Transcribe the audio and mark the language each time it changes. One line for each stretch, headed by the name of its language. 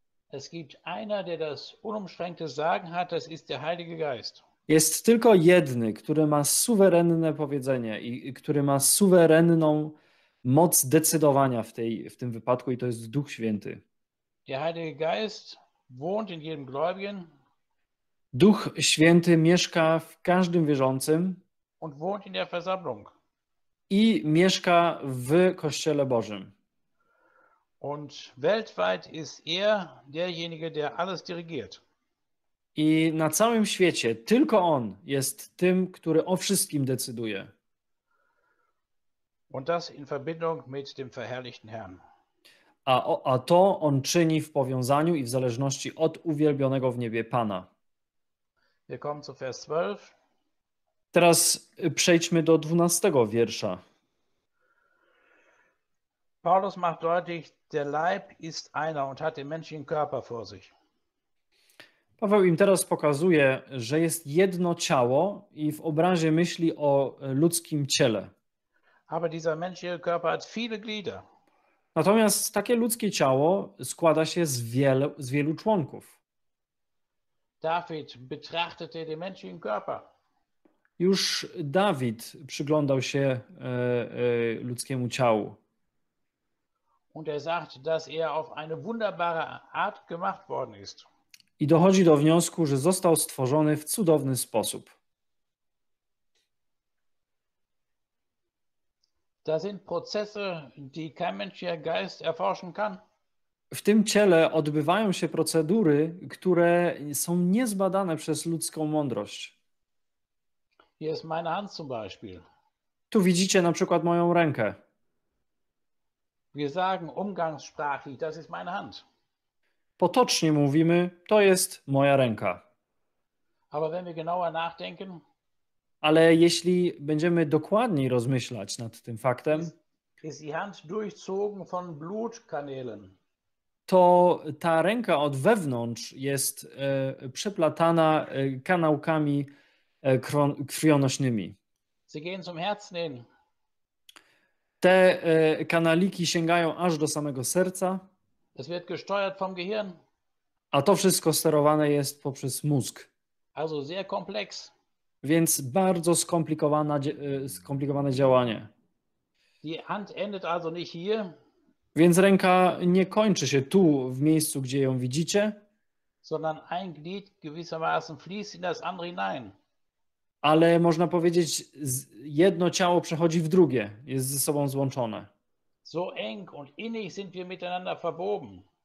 German: Es gibt einer, der das unumschränkte Sagen hat, das ist der Heilige Geist.
Polish: Jest tylko jedny, który ma suwerenne powiedzenie i który ma suwerenną moc decydowania w tym wypadku, i to jest Duch Święty.
German: Der Heilige Geist wohnt in jedem Gläubigen.
Polish: Duch Święty mieszka w każdym wierzącym
German: und wohnt in der Versammlung.
Polish: I mieszka w Kościele Bożym.
German: Und weltweit ist er derjenige, der alles dirigiert.
Polish: I na całym świecie tylko on jest tym, który o wszystkim decyduje.
German: Und das in Verbindung mit dem verherrlichten Herrn.
Polish: A to on czyni w powiązaniu i w zależności od uwielbionego w niebie Pana.
German: Wir kommen zu Vers 12.
Polish: Teraz przejdźmy do 12 wiersza.
German: Paulus macht deutlich, der Leib ist einer und hat den menschlichen Körper vor sich.
Polish: Paweł im teraz pokazuje, że jest jedno ciało i w obrazie myśli o ludzkim ciele.
German: Aber dieser menschliche Körper hat viele Glieder.
Polish: Natomiast takie ludzkie ciało składa się z wielu członków.
German: David betrachtete den menschlichen Körper.
Polish: Już Dawid przyglądał się ludzkiemu ciału.
German: Und er sagt, dass er auf eine wunderbare Art gemacht worden ist.
Polish: I dochodzi do wniosku, że został stworzony w cudowny sposób.
German: Das sind Prozesse, die kein menschlicher Geist erforschen kann.
Polish: W tym ciele odbywają się procedury, które są niezbadane przez ludzką mądrość.
German: Hier ist meine Hand zum Beispiel.
Polish: Tu widzicie na przykład moją rękę.
German: Wir sagen umgangssprachlich, das ist meine Hand.
Polish: Potocznie mówimy, to jest moja ręka.
German: Aber wenn wir genauer nachdenken,
Polish: ale jeśli będziemy dokładniej rozmyślać nad tym faktem,
German: ist die Hand durchzogen von Blutkanälen.
Polish: To ta ręka od wewnątrz jest przeplatana kanałkami krwionośnymi.
German: Sie gehen zum Herzen hin.
Polish: Te kanaliki sięgają aż do samego serca.
German: Es wird gesteuert vom Gehirn.
Polish: A to wszystko sterowane jest poprzez mózg.
German: Also sehr komplex.
Polish: Więc bardzo skomplikowane działanie.
German: Die Hand endet also nicht hier.
Polish: Więc ręka nie kończy się tu, w miejscu, gdzie ją widzicie.
German: Sondern ein Glied gewissermaßen fließt in das andere hinein.
Polish: Ale można powiedzieć, jedno ciało przechodzi w drugie, jest ze sobą złączone.
German: So eng und innig sind wir miteinander verwoben.